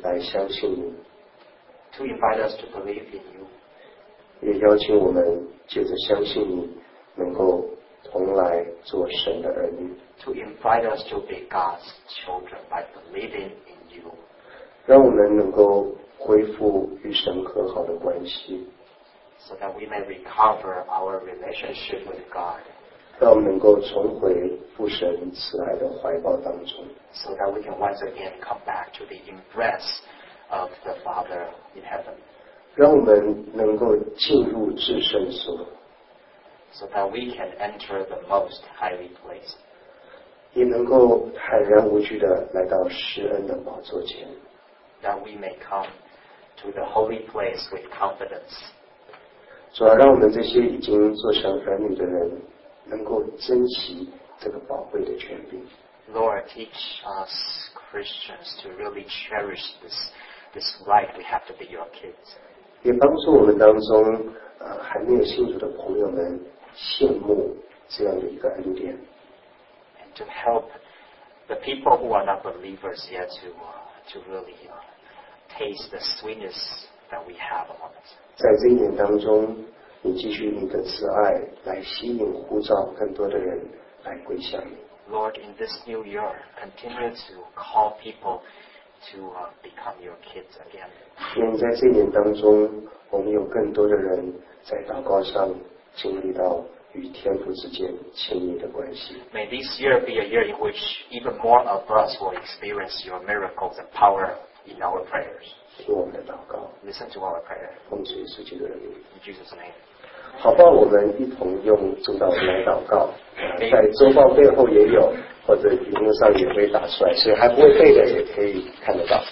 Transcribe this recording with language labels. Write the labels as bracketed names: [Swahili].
[Chinese] 相信你 [English] to invite us to believe in you. [Chinese] 也邀请我们借着相信你能够同来做神的儿女 [English] to invite us to be God's children by believing in you. [Chinese] 让我们能够恢复与神和好的关系 [English] so that we may recover our relationship with God. [Chinese] 让我们能够重回父神慈爱的怀抱当中 [English] so that we can once again come back to the embrace. Of the Father in heaven. [Chinese] 让我们能够进入至圣所 [English] so that we can enter the most holy place. [Chinese] 也能够坦然无惧地来到施恩的宝座前 [English] that we may come to the holy place with confidence. [Chinese] 主要让我们这些已经做成儿女的人能够珍惜这个宝贵的权柄 [English] Lord, teach us Christians to really cherish this right we have to be your kids. [Chinese] 也帮助我们当中还没有信主的朋友们羡慕这样的一个恩典。 [English] And to help the people who are not believers yet to really taste the sweetness that we have on it. [Chinese] 在这一年当中，你继续你的慈爱来吸引呼召更多的人来归向你。 [English] Lord, in this new year, continue to call people. To become your kids again. [Chinese] 愿在这年当中，我们有更多的人在祷告上经历到与天父之间亲密的关系。 [English] May this year be a year in which even more of us will experience your miracles and power in our prayers. [Chinese] 听我们的祷告。 [English] Listen to our prayer. [Chinese] 奉主耶稣基督的名。 [English] In Jesus' name. [Chinese] 好吧，我们一同用主祷来祷告。在周报背后也有。或者屏幕上也会打出来，所以还不会背的也可以看得到。